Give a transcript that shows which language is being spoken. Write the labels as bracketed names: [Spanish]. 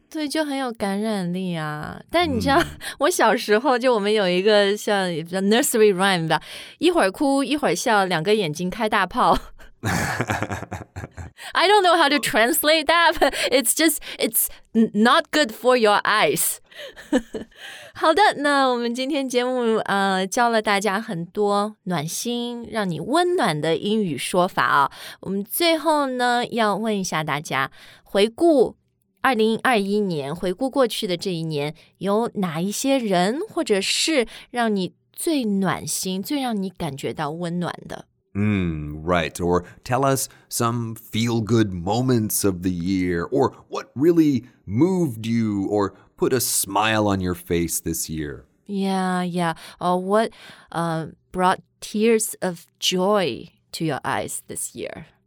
[Chinese] 对，就很有感染力啊。但你知道，我小时候就我们有一个像 nursery rhyme 吧，一会儿哭，一会儿笑，两个眼睛开大炮。 [English] I don't know how to translate that, but it's just, it's not good for your eyes. [Chinese] 好的，那我们今天节目教了大家很多暖心，让你温暖的英语说法啊。我们最后呢，要问一下大家，回顾2021年，回顾过去的这一年，有哪一些人或者是让你最暖心，最让你感觉到温暖的？ [English] Right. Or tell us some feel-good moments of the year, or what really moved you, or put a smile on your face this year. Yeah, yeah. Or what brought tears of joy to your eyes this year?